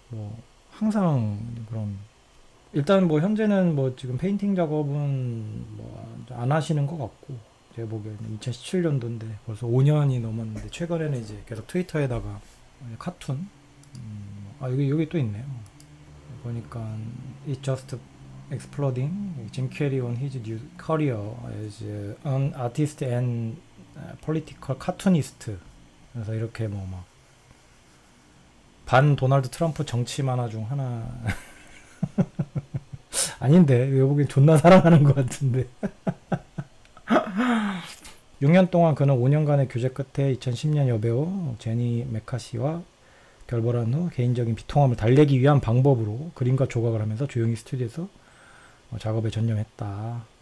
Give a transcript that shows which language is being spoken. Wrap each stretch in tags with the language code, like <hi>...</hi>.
<ko>뭐 항상 그런, 일단 뭐 현재는 뭐 지금 페인팅 작업은 뭐안 하시는 것 같고, 제가 보기에는 2017년도인데 벌써 5년이 넘었는데 최근에는 이제 계속 트위터에다가 카툰 아 여기 또 있네요. 보니까</ko> <en>It's just exploding. Jim Carrey on his new career as an artist and political cartoonist.</en> <ko>그래서 이렇게 뭐막반 도널드 트럼프 정치 만화 중 하나 아닌데 여보기엔 존나 사랑하는 것 같은데. 6년 동안 그는 5년간의 교제 끝에 2010년 여배우 제니 메카시와 결별한 후 개인적인 비통함을 달래기 위한 방법으로 그림과 조각을 하면서 조용히 스튜디오에서 작업에 전념했다.</ko>